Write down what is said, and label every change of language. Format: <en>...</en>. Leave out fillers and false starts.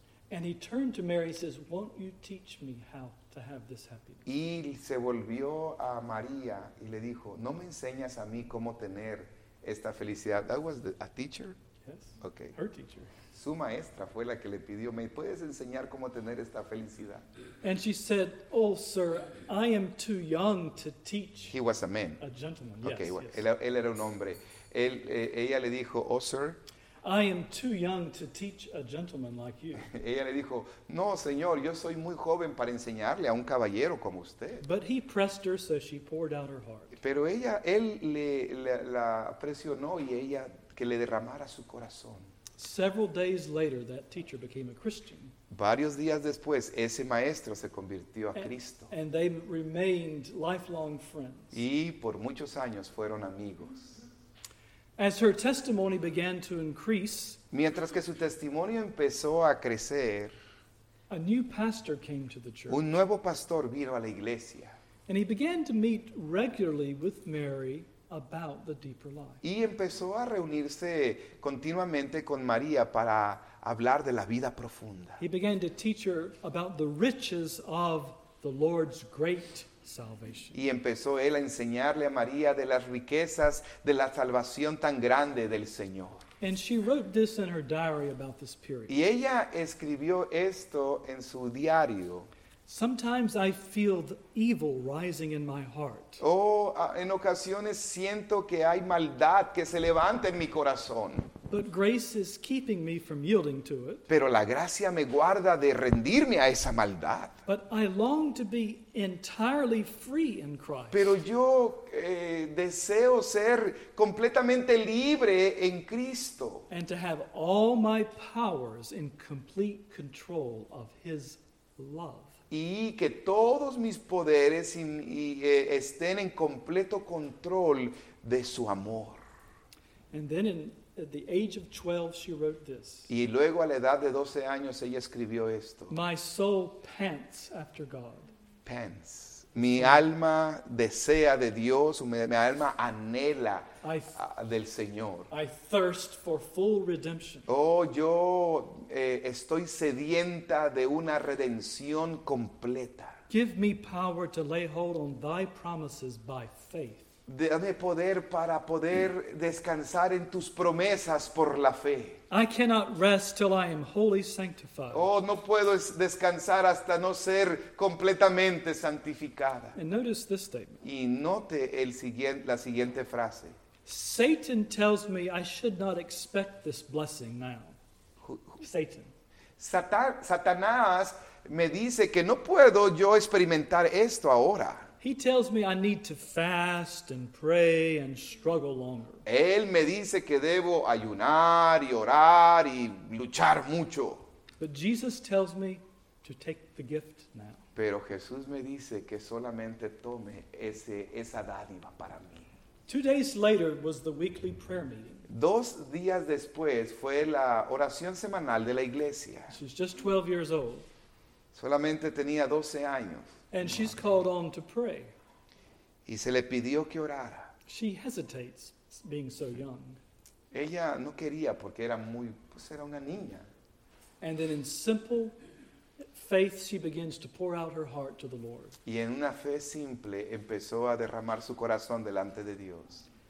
<en>And he turned to Mary and says, "Won't you teach me how to have this happiness?"</en> <es>Y se volvió a María y le dijo, "¿No me enseñas a mí cómo tener esta felicidad?"</es> <en>That was a teacher? Yes. Okay. Her teacher.</en> <es>Su maestra fue la que le pidió, "¿Me puedes enseñar cómo tener esta felicidad?"</es> <en>And she said, "Oh, sir, I am too young to teach." He was a man. A gentleman. Okay, yes. Okay. Well, yes.</en> <es>Él era un hombre. Ella le dijo,</es> <en>"Oh, sir, I am too young to teach a gentleman like you."</en> <es>Ella le dijo, "No, señor, yo soy muy joven para enseñarle a un caballero como usted."</es> <en>But he pressed her so she poured out her heart.</en> <es>Pero él la presionó y ella que le derramara su corazón.</es> <en>Several days later, that teacher became a Christian.</en> <es>Varios días después, ese maestro se convirtió a Cristo.</es> <en>And they remained lifelong friends.</en> <es>Y por muchos años fueron amigos.</es> <en>As her testimony began to increase,</en> <es>mientras que su testimonio empezó a crecer,</es> <en>a new pastor came to the church.</en> <es>Un nuevo pastor vino a la iglesia.</es> <en>And he began to meet regularly with Mary about the deeper life.</en> <es>Y empezó a reunirse continuamente con María para hablar de la vida profunda.</es> <en>He began to teach her about the riches of the Lord's great salvation.</en> <es>Y empezó él a enseñarle a María de las riquezas de la salvación tan grande del Señor.</es> <en>And she wrote this in her diary about this period.</en> <es>Y ella escribió esto en su diario.</es> <en>Sometimes I feel the evil rising in my heart.</en> <es>En ocasiones siento que hay maldad que se levanta en mi corazón.</es> <en>But grace is keeping me from yielding to it.</en> <es>Pero la gracia me guarda de rendirme a esa maldad.</es> <en>But I long to be entirely free in Christ.</en> <es>Pero yo deseo ser completamente libre en Cristo.</es> <en>And to have all my powers in complete control of His love.</en> <es>Y que todos mis poderes estén en completo control de su amor.</es> <en>And then at the age of 12, she wrote this.</en> <es>Y luego a la edad de 12 años ella escribió esto.</es> <en>My soul pants after God.</en> <es>Pants. Mi alma desea de Dios, mi alma anhela del Señor.</es> <en>I thirst for full redemption.</en> <es>Oh, yo estoy sedienta de una redención completa.</es> <en>Give me power to lay hold on thy promises by faith.</en> <es>Dame poder para poder descansar en tus promesas por la fe.</es> <en>I cannot rest till I am wholly sanctified.</en> <es>Oh, no puedo descansar hasta no ser completamente santificada.</es> <en>And notice this statement.</en> <es>Y note la siguiente frase.</es> <en>Satan tells me I should not expect this blessing now. Satan.</en> <es>Satanás me dice que no puedo yo experimentar esto ahora.</es> <en>He tells me I need to fast and pray and struggle longer.</en> <es>Él me dice que debo ayunar y orar y luchar mucho.</es> <en>But Jesus tells me to take the gift now.</en> <es>Pero Jesús me dice que solamente tome esa dádiva para mí.</es> <en>2 days later was the weekly prayer meeting.</en> <es>2 días después fue la oración semanal de la iglesia.</es> <en>She's just 12 years old.</en> <es>Solamente tenía 12 años.</es> <en>And she's called on to pray.</en> <es>Y se le pidió que orara.</es> <en>She hesitates being so young.</en> <es>Ella no quería porque era muy, pues era una niña.</es> <en>And then in simple faith she begins to pour out her heart to the Lord.</en> <es>Y en una fe simple empezó a derramar su corazón delante de Dios.</es>